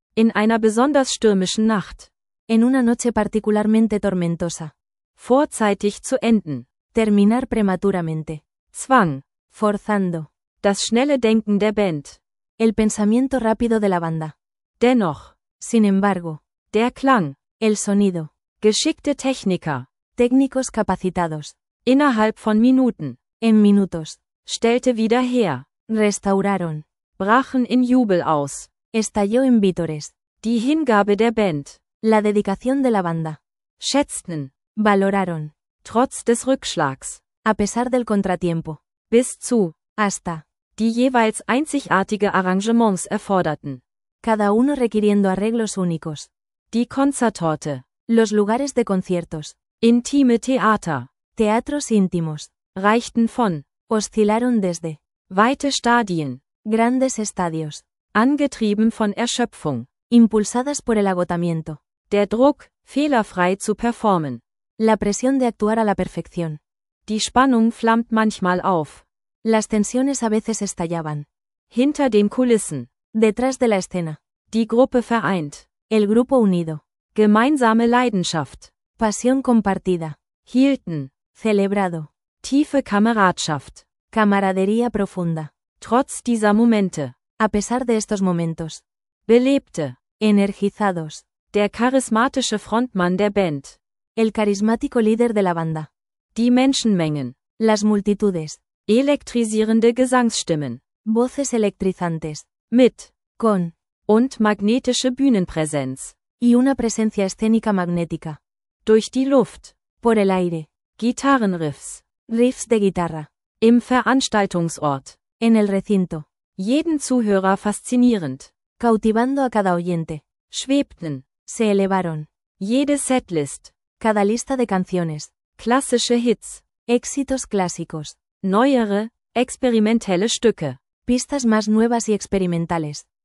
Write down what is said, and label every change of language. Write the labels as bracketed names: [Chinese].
[German] In einer besonders stürmischen Nacht. [Spanish] En una noche particularmente tormentosa. [German] Vorzeitig zu enden. [Spanish] Terminar prematuramente. [German] Zwang. [Spanish] Forzando. [German] Das schnelle Denken der Band. [Spanish] El pensamiento rápido de la banda. [German] Dennoch. [Spanish] Sin embargo. [German] Der Klang. [Spanish] El sonido. [German] Geschickte Techniker. [Spanish] Técnicos capacitados. [German] Innerhalb von Minuten. [Spanish] En minutos. [German] Stellte wieder her. [Spanish] Restauraron. [German] Brachen in Jubel aus. [Spanish] Estalló en vítores. [German] Die Hingabe der Band. [Spanish] La dedicación de la banda. [German] Schätzten. [Spanish] Valoraron. [German] Trotz des Rückschlags. [Spanish] A pesar del contratiempo. [German] Bis zu. [Spanish] Hasta. [German] Die jeweils einzigartige Arrangements erforderten. [Spanish] Cada uno requiriendo arreglos únicos. [German] Die Konzerttorte. [Spanish] Los lugares de conciertos. [German] Intime Theater. [Spanish] Teatros íntimos. [German] Reichten von. [Spanish] Oscilaron desde. [German] Weite Stadien. [Spanish] Grandes estadios. [German] Angetrieben von Erschöpfung. [Spanish] Impulsadas por el agotamiento. [German] Der Druck, fehlerfrei zu performen. [Spanish] La presión de actuar a la perfección. [German] Die Spannung flammt manchmal auf. [Spanish] Las tensiones a veces estallaban. [German] Hinter den Kulissen. [Spanish] Detrás de la escena. [German] Die Gruppe vereint. [Spanish] El grupo unido. [German] Gemeinsame Leidenschaft. [Spanish] Pasión compartida. [German] Hielten. [Spanish] Celebrado. [German] Tiefe Kameradschaft. [Spanish] Camaradería profunda. [German] Trotz dieser Momente. [Spanish] A pesar de estos momentos. [German] Belebte. [Spanish] Energizados. [German] Der charismatische Frontmann der Band. [Spanish] El carismático líder de la banda. [German] Die Menschenmengen. [Spanish] Las multitudes. [German] Elektrisierende Gesangsstimmen. [Spanish] Voces electrizantes. [German] Mit. [Spanish] Con. [German] Und magnetische Bühnenpräsenz. [Spanish] Y una presencia escénica magnética. [German] Durch die Luft. [Spanish] Por el aire. [German] Gitarrenriffs. [Spanish] Riffs de guitarra. [German] Im Veranstaltungsort. [Spanish] En el recinto. [German] Jeden Zuhörer faszinierend. [Spanish] Cautivando a cada oyente. [German] Schwebten. [Spanish] Se elevaron. [German] Jede Setlist. [Spanish] Cada lista de canciones. [German] Klassische Hits. [Spanish] Éxitos clásicos. [German] Neuere, experimentelle Stücke. [Spanish] Pistas más nuevas y experimentales.